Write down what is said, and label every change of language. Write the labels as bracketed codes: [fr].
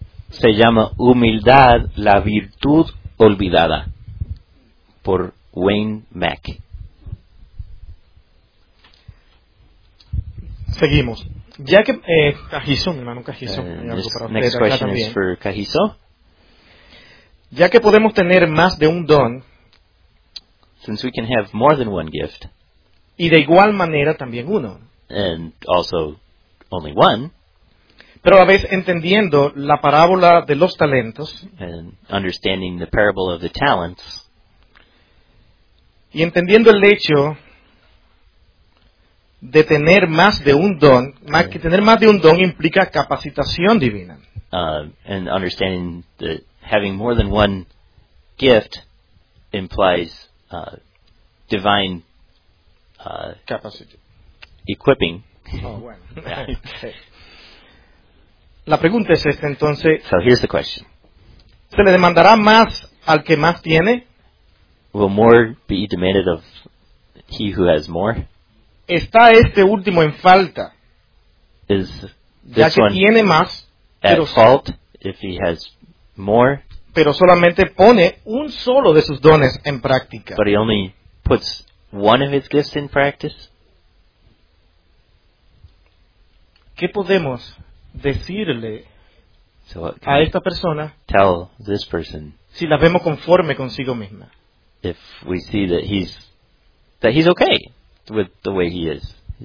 [es] Se llama Humildad, la Virtud Olvidada, por Wayne Mack. Seguimos. Ya que Cajizo, mi hermano Cajizo, [en] next question is for Cajizo. [es] Ya que podemos tener más de un don, [en] since we can have more than one gift, [es] y de igual manera también uno, [en] and also only one, [es] pero a la vez entendiendo la parábola de los talentos, [en] and understanding the parable of the talents, [es] y entendiendo el hecho de tener más de un don, más que tener más de un don implica capacitación divina. [en] And understanding that having more than one gift implies divine capacity. Equipping. [es] Oh, bueno. La pregunta es esta, entonces. [en] So here's the question. [es] ¿Se le demandará más al que más tiene? [en] Will more be demanded of he who has more? [es] ¿Está este último en falta? [en] Is this [es] ya que [en] one [es] tiene más, [en] at fault if he has more? [es] Pero solamente pone un solo de sus dones en práctica. [en] But he only puts one of his gifts in practice? [es] ¿Qué podemos decirle a esta persona, [en] tell this person, [es] si la vemos conforme consigo misma? [en] If we see that he's okay with the way he is.